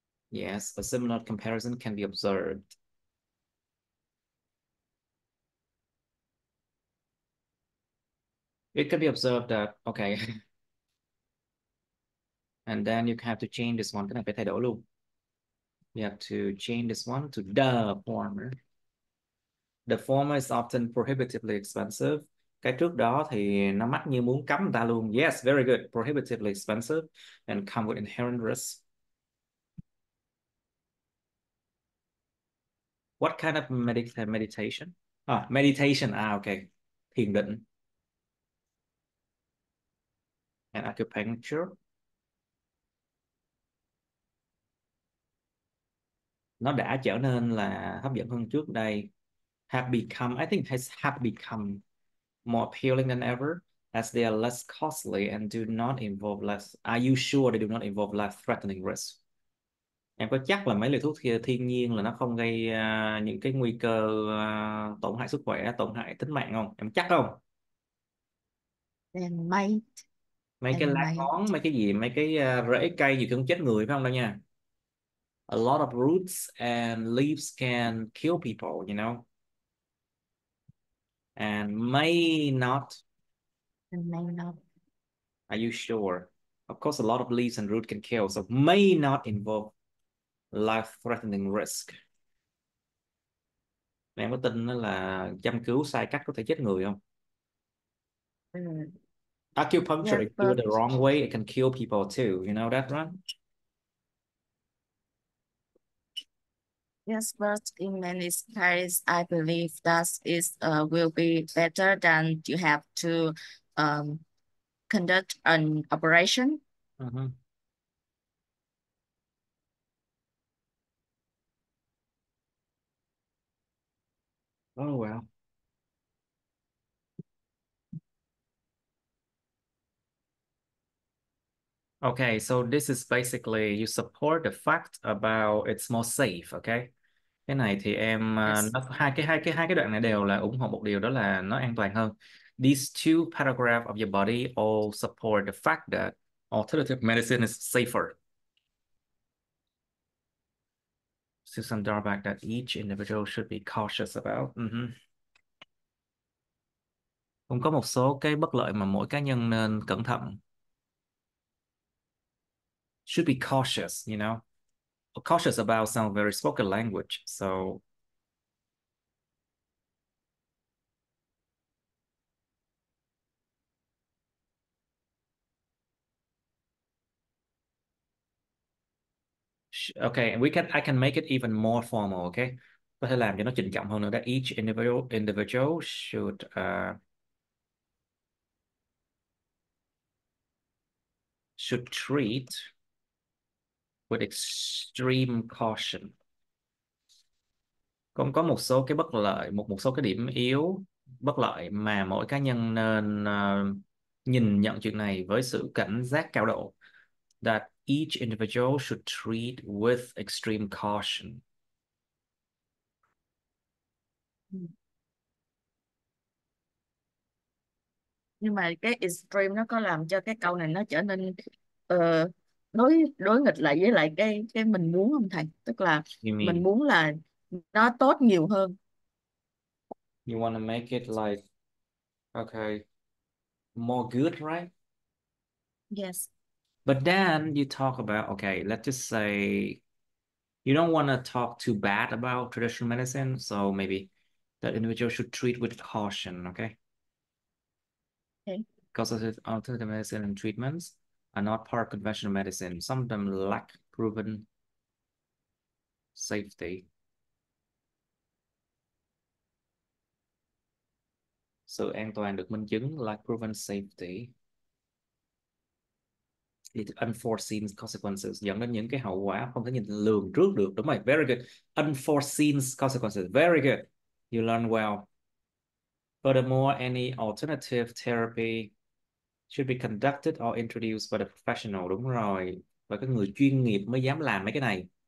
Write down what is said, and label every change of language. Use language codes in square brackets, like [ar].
[en] Yes, a similar comparison can be observed. It can be observed that, okay. And then you have to change this one. [vi] Cái này phải thay đổi luôn. [en] You have to change this one to the former. The former is often prohibitively expensive. [vi] Cái trước đó thì nó mắc như muốn cấm người ta luôn. [en] Yes, very good. Prohibitively expensive and come with inherent risk. What kind of meditation? Meditation. Okay. [vi] Thiền định. [en] And acupuncture. [vi] Nó đã trở nên là hấp dẫn hơn trước đây. [en] Have become, I think has become more appealing than ever as they are less costly and do not involve less. Are you sure they do not involve less threatening risk? [vi] Em có chắc là mấy liều thuốc thiên nhiên là nó không gây những cái nguy cơ tổn hại sức khỏe, tổn hại tính mạng không? Em chắc không? Mấy cái lá ngón, mấy cái gì, mấy cái rễ cây gì cũng chết người phải không đâu nha. [en] A lot of roots and leaves can kill people, you know. And may not. Might Are you sure? Of course, a lot of leaves and root can kill, so may not involve life-threatening risk. [vi] Em có tin đó là châm cứu sai cách có thể chết người không? [en] not. Acupuncture, Yeah, if you do it the but wrong way, it can kill people too. You know that, right? yes, but in many cases, I believe that is will be better than you have to conduct an operation. Oh, well. Okay, so this is basically you support the fact about it's more safe, okay? [vi] Cái này thì em [en] Yes. [vi] nó hai cái đoạn này đều là ủng hộ một điều, đó là nó an toàn hơn. [en] These two paragraphs of your body all support the fact that alternative medicine is safer. See some drawback that each individual should be cautious about. Cũng có một số cái bất lợi mà mỗi cá nhân nên cẩn thận. Should be cautious, you know. Cautious about some very spoken language. So, okay, I can make it even more formal, okay? [vi] Có thể làm cho nó trịnh trọng hơn nữa. [en] That each individual should should treat with extreme caution. [vi] Còn có một số cái bất lợi, một một số cái điểm yếu bất lợi mà mỗi cá nhân nên nhìn nhận chuyện này với sự cảnh giác cao độ. [en] That each individual should treat with extreme caution. [vi] Nhưng mà cái extreme nó có làm cho cái câu này nó trở nên đối nghịch lại với lại cái mình muốn không thầy? Tức là [en] You [vi] mình [en] mean [vi] muốn là nó tốt nhiều hơn. [en] you want to make it like okay, more good, right? Yes. But then you talk about okay, let's just say you don't want to talk too bad about traditional medicine, so maybe that individual should treat with caution, okay? Because alternative medicine and treatments are not part of conventional medicine, some of them lack proven safety. [vi] Sự an toàn được minh chứng, [en] like proven safety. Unforeseen consequences [vi] dẫn đến những cái hậu quả không thể nhìn lường trước được. Đúng rồi, [en] very good. Unforeseen consequences, very good. You learn well. Furthermore, any alternative therapy should be conducted or introduced by the professional. [vi] Đúng rồi. Và cái người chuyên nghiệp mới dám làm mấy cái này.